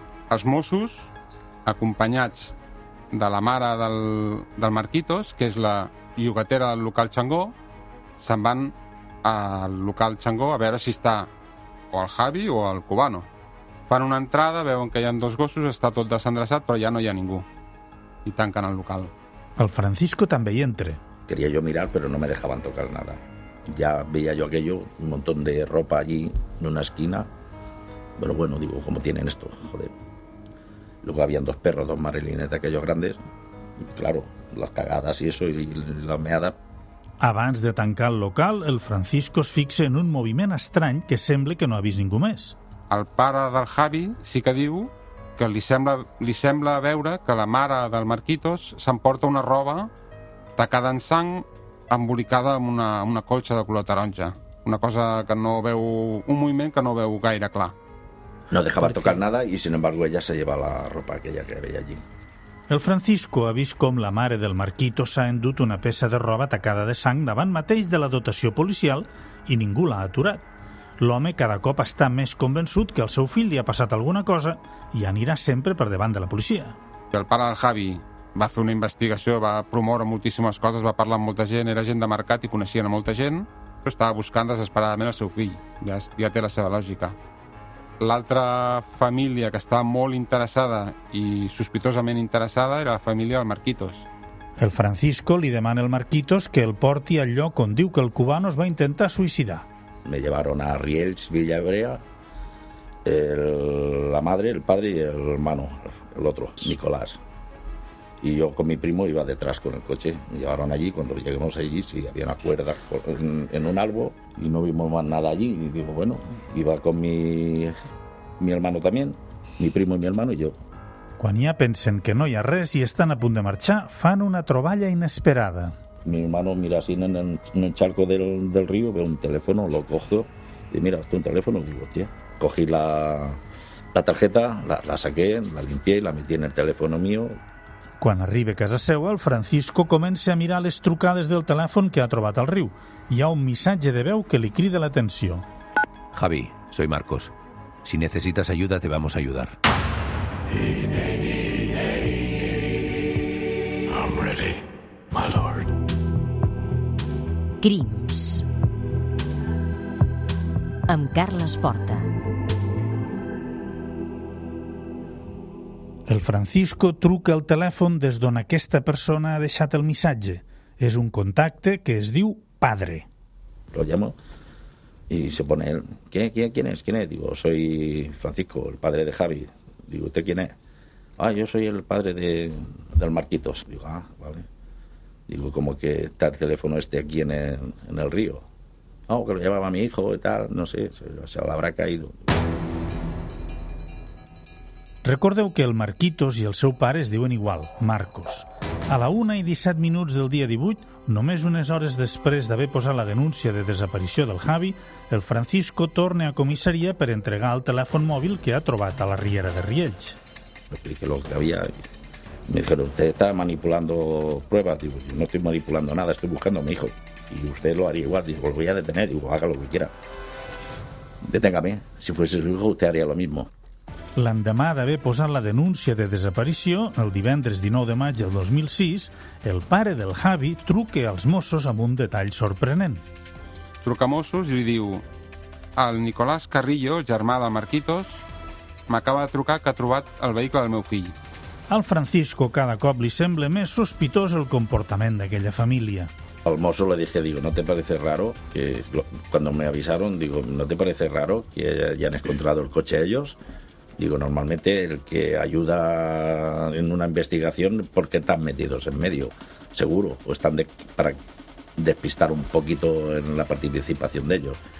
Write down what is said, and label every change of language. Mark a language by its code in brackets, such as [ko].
[ca] Els Mossos, acompanyats de la mare del Marquitos, que és la llogatera del local Changó, se'n van al local Changó a veure si està o el Javi o el cubano. Fan una entrada, veuen que hi ha dos gossos, està tot desendreçat, però ja no hi ha ningú. I tanquen el local. El Francisco també hi entra. [es] Quería yo mirar, pero no me dejaban tocar nada. Ya veía yo aquello, un montón de ropa allí, en una esquina. Pero bueno, digo, ¿cómo tienen esto? Joder. Luego habían dos perros, dos marilines de aquellos grandes. Y claro, las cagadas y eso, y las meadas. [ca] Abans de tancar el local, el Francisco es fixa en un moviment estrany que sembla que no ha vist ningú més. El pare del Javi sí que diu que li sembla veure que la mare del Marquitos s'emporta una roba tacada en sang embolicada amb una colxa de color taronja. Una cosa que no veu, un moviment que no veu gaire clar. [es] No dejaba tocar nada y sin embargo ella se lleva la ropa aquella que veia allí. [ca] El Francisco ha vist com la mare del Marquitos s'ha endut una peça de roba tacada de sang davant mateix de la dotació policial i ningú l'ha aturat. L'home cada cop està més convençut que al seu fill li ha passat alguna cosa i anirà sempre per davant de la policia. El pare del Javi va fer una investigació, va promoure moltíssimes coses, va parlar amb molta gent, era gent de mercat i coneixien a molta gent, però estava buscant desesperadament el seu fill. Ja té la seva lògica. L'altra família que estava molt interessada i sospitosament interessada era la família del Marquitos. El Francisco li demana al Marquitos que el porti al lloc on diu que el cubano es va intentar suïcidar. [es] Me llevaron a Riells, Villabrea, la madre, el padre y el hermano, el otro, Nicolás. Y yo con mi primo iba detrás con el coche. Me llevaron allí, cuando lleguemos allí, sí, había una cuerda en un árbol y no vimos más nada allí. Y digo, bueno, iba con mi hermano también, mi primo y mi hermano y yo. [ca] Quan ja pensen que no hi ha res i estan a punt de marxar, fan una troballa inesperada. [es] Mi hermano mira así en el charco del río, ve un teléfono, lo cojo y mira, esto es un teléfono. Digo, tía, cogí la tarjeta, la saqué, la limpié y la metí en el teléfono mío. [ca] Quan arriba a casa seva, el Francisco comença a mirar les trucades del telèfon que ha trobat al riu. Hi ha un missatge de veu que li crida l'atenció. [es] Javi, soy Marcos. Si necesitas ayuda, te vamos a ayudar. [en] I'm ready, my lord. [ca] Crims. Amb Carles Porta. El Francisco truca al telèfon des d'on aquesta persona ha deixat el missatge. És un contacte que es diu Padre. [es] Lo llamo y se pone él. ¿Quién es? Digo, soy Francisco, el padre de Javi. Digo, ¿usted quién es? Ah, yo soy el padre del Marquitos. Digo, ah, vale. Digo, como que está el teléfono este aquí en el río. Ah, que lo llevaba mi hijo y tal, no sé, se lo habrá caído. [ca] Recordeu que el Marquitos i el seu pare es diuen igual, Marcos. A la 1:17 del dia 18, només unes hores després d'haver posat la denúncia de desaparició del Javi, el Francisco torna a comissaria per entregar el telèfon mòbil que ha trobat a la riera de Riells. [es] Expliqué lo que había. Me dijeron, usted está manipulando pruebas. Digo, yo no estoy manipulando nada, estoy buscando a mi hijo. Y usted lo haría igual. Digo, lo voy a detener. Digo, haga lo que quiera. Deténgame. Si fuese su hijo, usted haría lo mismo. [ca] L'endemà d'haver posat la denúncia de desaparició, el divendres 19 de maig del 2006, el pare del Javi truca als Mossos amb un detall sorprenent. Truca a Mossos i li diu, el Nicolás Carrillo, germà del Marquitos, m'acaba de trucar que ha trobat el vehicle del meu fill. Al Francisco cada cop li sembla més sospitós el comportament d'aquella família. [es] Al mozo le dije, digo, ¿no te parece raro que cuando me avisaron, digo, ¿no te parece raro que hayan encontrado el coche ellos? Digo, normalmente el que ayuda en una investigación, ¿por qué están metidos en medio? Seguro, o están para despistar un poquito en la participación de ellos.